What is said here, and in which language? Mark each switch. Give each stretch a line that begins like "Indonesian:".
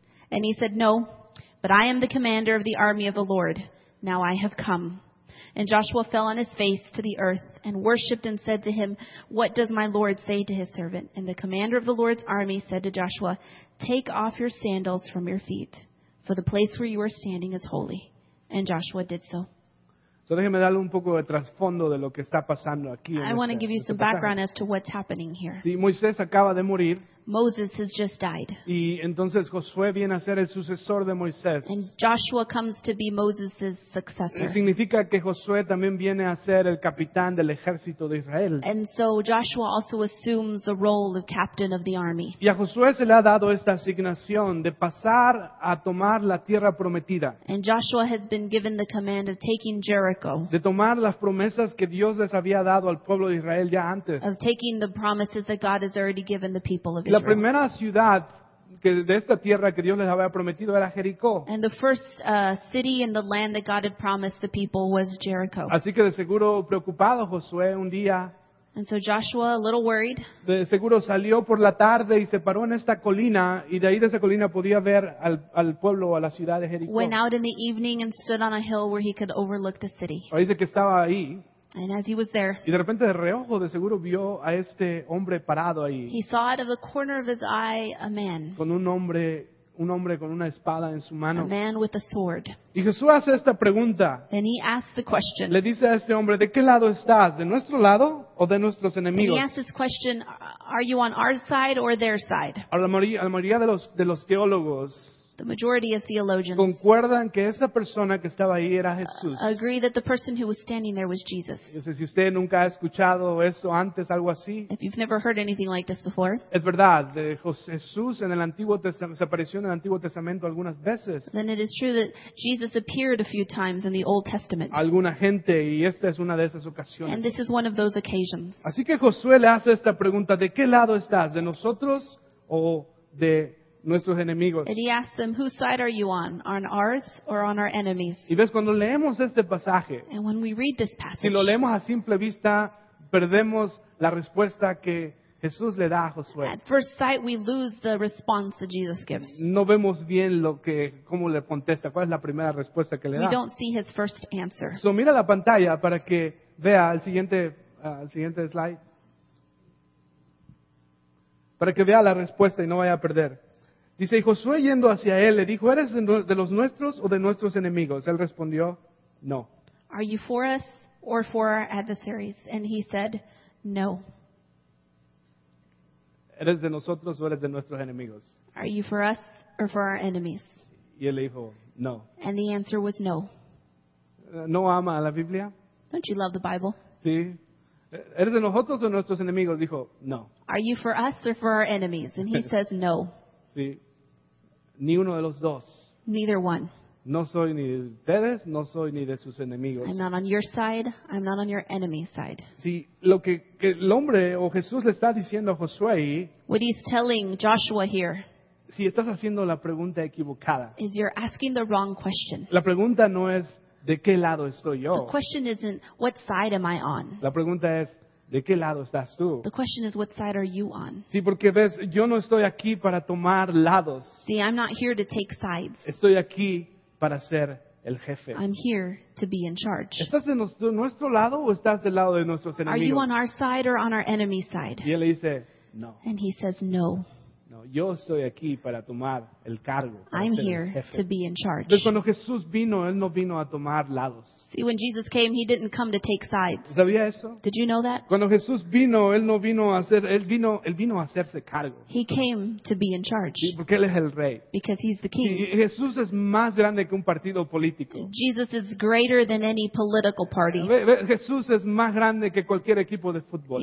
English: And he said, no, but I am the commander of the army of the Lord. Now I have come. And Joshua fell on his face to the earth and worshipped and said to him, what does my Lord say to his servant? And the commander of the Lord's army said to Joshua, take off your sandals from your feet, for the place where you are standing is holy. And Joshua did so.
Spanish: So déjeme darle un poco de trasfondo de lo que está pasando aquí.
English: I want to give you some background as to what's happening here.
Spanish: Sí, Moisés acaba de morir.
English: Moses has just died.
Spanish: Y entonces Josué viene a ser el sucesor de Moisés.
English: And Joshua comes to be Moses' successor.
Spanish: Significa que Josué también viene a ser el capitán del ejército de Israel.
English: And so Joshua also assumes the role of captain of the army.
Spanish: Y a Josué se le ha dado esta asignación de pasar a tomar la tierra prometida.
English: And Joshua has been given the command of taking Jericho.
Spanish: De tomar las promesas que Dios les había dado al pueblo de Israel ya antes.
English: Of taking the promises that God has already given the people of Israel.
Spanish: La primera ciudad que de esta tierra que Dios les había prometido era Jericó.
English: And the first city in the land that God had promised the people was Jericho.
Spanish: Así que de seguro preocupado Josué un día.
English: And so Joshua, a little worried.
Spanish: De seguro salió por la tarde y se paró en esta colina y de ahí de esa colina podía ver al pueblo, a la ciudad de Jericó.
English: Went out in the evening and stood on a hill where he could overlook the city.
Spanish: Ahí dice que estaba ahí.
English: And as he was there,
Spanish: y de repente de reojo de seguro vio a este hombre parado ahí.
English: He saw out of the corner of his eye a man.
Spanish: Con un hombre con una espada en su mano.
English: A man with a sword.
Spanish: Y Jesús hace esta pregunta.
English: And he asked the question.
Spanish: Le dice a este hombre, ¿de qué lado estás? ¿De nuestro lado o de nuestros enemigos?
English: And he asked this question, are you on our side or their side?
Spanish: A la mayoría de los teólogos.
English: The majority of theologians
Spanish: concuerdan que esa persona que estaba ahí era Jesús.
English: Agree that the person who was standing there was Jesus.
Spanish: Si usted nunca ha escuchado esto antes, algo así.
English: If you've never heard anything like this before.
Spanish: Es verdad, Jesús en el Antiguo Testamento, se apareció en el Antiguo Testamento algunas veces.
English: Then it is true that Jesus appeared a few times in the Old Testament.
Spanish: Alguna gente, y esta es una de esas ocasiones.
English: And this is one of those occasions.
Spanish: Así que Josué le hace esta pregunta, ¿de qué lado estás? ¿De nosotros o de nuestros enemigos?
English: And he asks them, whose side are you on? On ours or on our enemies?
Spanish: Y ves, cuando leemos este pasaje,
English: and when we read this passage,
Spanish: si lo leemos a simple vista, perdemos la respuesta que Jesús le da a Josué.
English: At first sight, we lose the response that Jesus gives.
Spanish: No vemos bien cómo le contesta, cuál es la primera respuesta que le da.
English: We don't see his first answer.
Spanish: So mira la pantalla para que vea el siguiente slide. Para que vea la respuesta y no vaya a perder. Dice, y Josué yendo hacia él, le dijo, ¿eres de los nuestros o de nuestros enemigos? Él respondió, no.
English: Are you for us or for our adversaries? And he said, no.
Spanish: ¿Eres de nosotros o eres de nuestros enemigos?
English: Are you for us or for our enemies?
Spanish: Y él le dijo, no.
English: And the answer was no.
Spanish: ¿No ama a la Biblia?
English: Don't you love the Bible?
Spanish: Sí. ¿Eres de nosotros o de nuestros enemigos? Dijo, no.
English: Are you for us or for our enemies? And he says, no.
Spanish: Sí. Ni uno de los dos.
English: Neither one.
Spanish: No soy ni de ustedes, no soy ni de sus enemigos.
English: I'm not on your side, I'm not on your enemy's side.
Spanish: Sí, lo que el hombre o Jesús le está diciendo a Josué.
English: What he's telling Joshua here.
Spanish: Sí, estás haciendo la pregunta equivocada.
English: Is you're asking the wrong question.
Spanish: La pregunta no es de qué lado estoy yo.
English: The question isn't what side am I on.
Spanish: La pregunta es, ¿de qué lado estás tú?
English: The question is, what side are you on?
Spanish: Sí, porque ves, yo no estoy aquí para tomar lados.
English: See, I'm not here to take sides.
Spanish: Estoy aquí para ser el jefe.
English: I'm here to be in charge.
Spanish: ¿Estás de nuestro lado o estás del lado de nuestros enemigos?
English: Are you on our side or on our enemy's side?
Spanish: Y él le dice, no.
English: And he says, no.
Spanish: No, yo estoy aquí para tomar el cargo.
English: I'm here
Spanish: el jefe.
English: To be in charge.
Spanish: Pero cuando Jesús vino, él no vino a tomar lados.
English: See, when Jesus came, he didn't come to take sides.
Spanish: ¿Sabía eso?
English: Did you know that?
Spanish: Cuando Jesús vino, él no vino a hacer, él vino a hacerse cargo.
English: He came to be in charge.
Spanish: Sí, porque él es el rey.
English: Because he's the king.
Spanish: Y Jesús es más grande que un partido político.
English: Jesus is greater than any political party.
Spanish: Jesús es más grande que cualquier equipo de fútbol.